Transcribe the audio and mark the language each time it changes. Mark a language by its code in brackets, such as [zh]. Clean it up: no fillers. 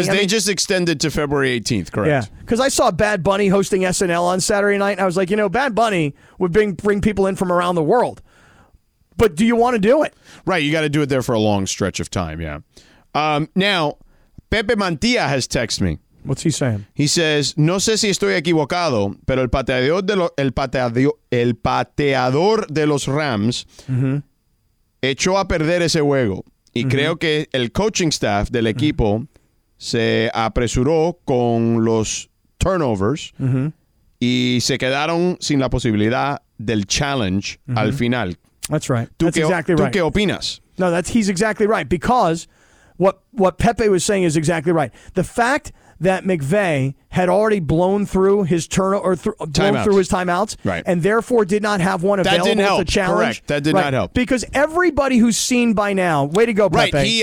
[en] Because they just extended to February 18th, correct? Yeah, because I saw Bad Bunny hosting SNL on Saturday night, and I was like, you know, Bad Bunny would bring people in from around the world. But do you want to do it? Right, you got to do it there for a long stretch of time, yeah. Now, Pepe Mantilla has texted me. What's he saying? He says, [es] no sé si estoy equivocado, pero el pateador de los Rams echó a perder ese juego. Y creo que el coaching staff del equipo se apresuró con los turnovers y se quedaron sin la posibilidad del challenge al final. [en] That's right. That's exactly right. [es] ¿Tú qué opinas? [en] No, he's exactly right, because what Pepe was saying is exactly right. The fact that McVay had already blown through his timeouts, right, and therefore did not have one available to challenge. Correct. That did not help. Because everybody who's seen by now, way to go, Pepe.